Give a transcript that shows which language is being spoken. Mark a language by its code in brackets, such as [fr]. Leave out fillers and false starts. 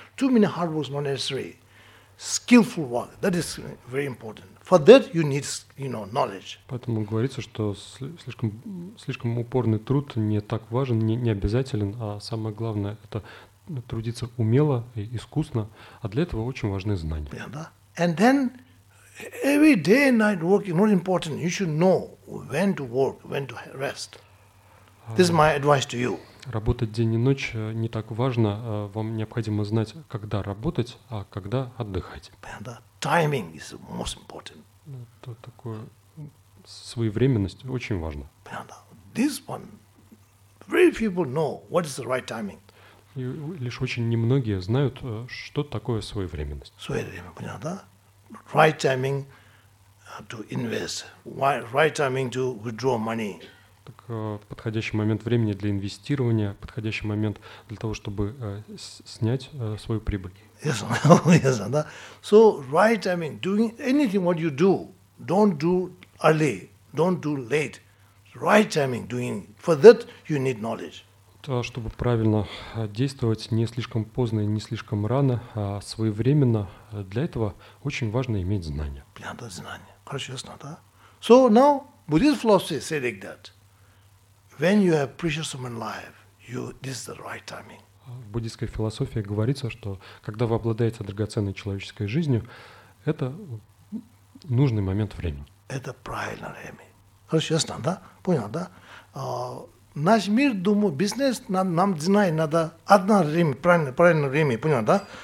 [en] Too many hard work is not necessary. Skillful work, that is very important. For that you need, you know, knowledge. [ru] Поэтому говорится, что слишком упорный труд не так важен, не обязателен, а самое главное это трудиться умело и искусно, а для этого очень важны знания. [en] Yeah, [ru] да? [en] And then every day and night work is not important. You should know when to work, when to rest. This is my advice to you. [ru] Работать день и ночь не так важно, вам необходимо знать, когда работать, а когда отдыхать. [en] And the timing is most important. [ru] Это такое своевременность очень важно. And this one, very few people know what is the right timing. И лишь очень немногие знают, что такое своевременность. Своевременность, понятно, да? [en] Right timing to invest, right timing to withdraw money. [ru] Так подходящий момент времени для инвестирования, подходящий момент для того, чтобы снять свою прибыль. [en] Yes, yes, [ru] да. [en] So right, I mean, doing anything what you do, don't do early, don't do late. Right timing doing. For that you need knowledge. [ru] То, чтобы правильно действовать не слишком поздно и не слишком рано, а своевременно, для этого очень важно иметь знания. Надо знания. Хорошо, да? [en] So now Buddhist philosophy say like that. When you have precious human life, you this is the right timing. [ru] В буддийской философии говорится, что когда вы обладаете драгоценной человеческой жизнью, это нужный момент времени. Это правильное время. Хорошо, ясно, да? Понял, да? Наш мир, думаю, бизнес нам знать надо одно время, правильное время, понял, да?